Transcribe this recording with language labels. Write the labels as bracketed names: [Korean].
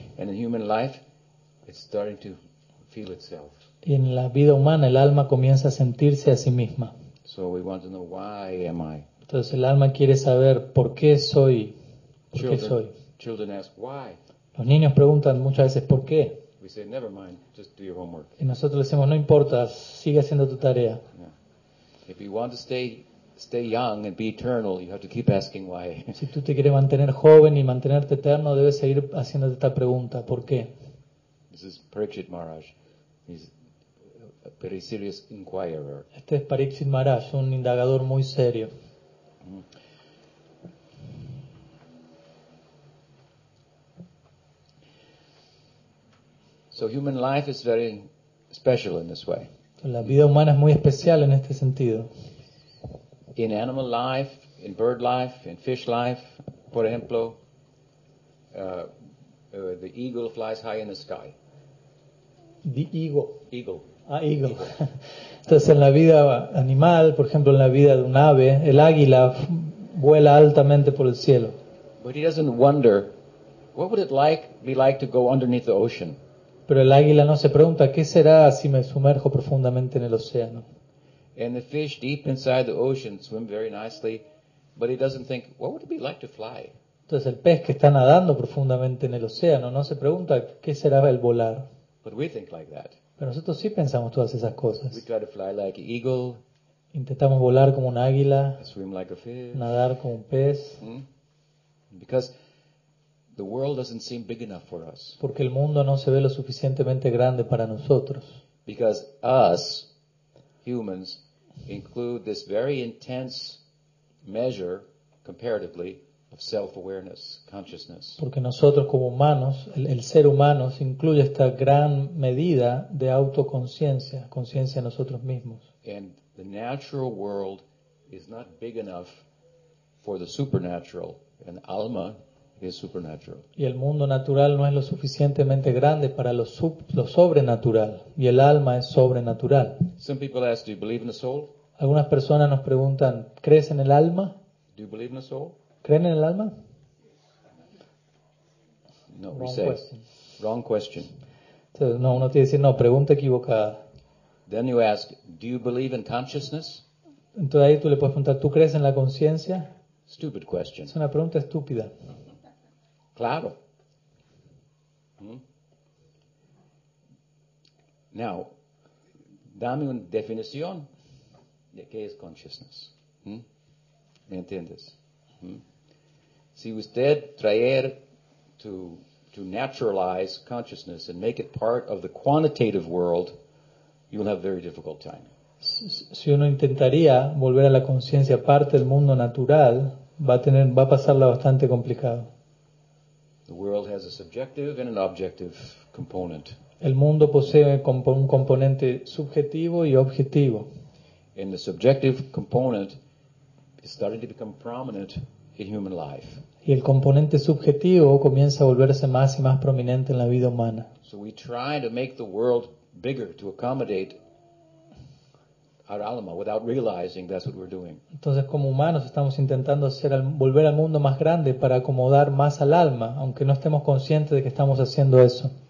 [English] And in human life, it's starting to feel itself. [Spanish] Y en la vida humana, el alma comienza a sentirse a sí misma. [English] So we want to know why am I. [Spanish] Entonces el alma quiere saber por qué soy. [English] Children ask why. [Spanish] Los niños preguntan muchas veces por qué. [English] We say, never mind, just do your homework. [Spanish] Y nosotros le decimos, no importa, sigue haciendo tu tarea. [English] If you want to stay young and be eternal, you have to keep asking why. [Spanish] Si tú te quieres mantener joven y mantenerte eterno, debes seguir haciéndote esta pregunta, ¿por qué? [English] This is Parikshit Maharaj. He's a very serious inquirer. [Spanish] Este es Parikshit Maharaj, un indagador muy serio. [English] So human life is very special in this way. [Spanish] La vida humana es muy especial en este sentido. [English] In animal life, in bird life, in fish life, [Spanish] por ejemplo, [English] the eagle flies high in the sky. The eagle. Eagle. Ah, eagle. [Spanish] Entonces, en la vida animal, por ejemplo, en la vida de un ave, el águila vuela altamente por el cielo. [English] But he doesn't wonder, what would it be like to go underneath the ocean? [Spanish] Pero el águila no se pregunta, ¿qué será si me sumerjo profundamente en el océano? [English] And the fish deep inside the ocean swim very nicely, but he doesn't think, what would it be like to fly? [Spanish] Entonces el pez que está nadando profundamente en el océano no se pregunta, ¿qué será el volar? [English] But we think like that. [Spanish] Pero nosotros sí pensamos todas esas cosas. [English] We try to fly like an eagle, [Spanish] intentamos volar como un águila, [English] swim like a fish, [Spanish] nadar como un pez. [English] Because the world doesn't seem big enough for us. [Spanish] Porque el mundo no se ve lo suficientemente grande para nosotros. [English] Because us humans include this very intense measure comparatively of self-awareness, consciousness. [Spanish] Porque nosotros como humanos, el ser humano se incluye esta gran medida de autoconciencia, conciencia de nosotros mismos. [English] And the natural world is not big enough for the supernatural and alma. Is supernatural. [Spanish] Y el mundo natural no es lo suficientemente grande para lo sobrenatural. Y el alma es sobrenatural. [English] Some people ask, do you believe in the soul? [Spanish] Algunas personas nos preguntan, ¿crees en el alma? [English] Do you believe in the soul? [Spanish] ¿Creen en el alma? [English] No, wrong question. Wrong question. [Spanish] Entonces, no, uno tiene que decir, no, pregunta equivocada. [English] Then you ask, do you believe in consciousness? [Spanish] Entonces ahí tú le puedes preguntar, ¿tú crees en la conciencia? [English] Stupid question. [Spanish] Es una pregunta estúpida. Claro. Now, dame una definición de qué es consciousness. ¿Me entiendes? Si usted traer [English] to naturalize consciousness and make it part of the quantitative world, you will have a very difficult time. [Spanish] Si uno intentaría volver a la conciencia parte del mundo natural, va a pasarla bastante complicado. [English] The world has a subjective and an objective component. [Spanish] El mundo posee un componente subjetivo y objetivo. [English] And the subjective component is starting to become prominent in human life. [Spanish] Y el componente subjetivo comienza a volverse más y más prominente en la vida humana. [English] So we try to make the world bigger to accommodate our alma without realizing that's what we're doing. [Spanish] Entonces, como humanos, estamos intentando hacer volver al mundo más grande para acomodar más al alma, aunque no estemos conscientes de que estamos haciendo eso.